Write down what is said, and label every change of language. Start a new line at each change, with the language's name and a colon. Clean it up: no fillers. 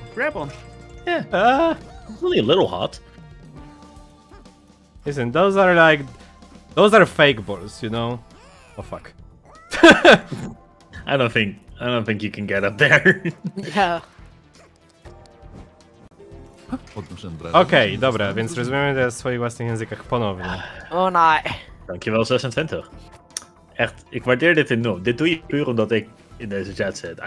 English: Grab on. Yeah. Really a little hot. Listen, those are like... Those are fake balls, you know? Oh, fuck. I don't think you can get up there. Yeah.
Polish: Okay, dobra, więc rozumiemy to w swoich własnych językach ponownie.
English: Oh, nice. Thank you, also,
Dutch: Santento. Echt, ik waardeer dit enorm. Dit doe je puur omdat ik in deze chat zit.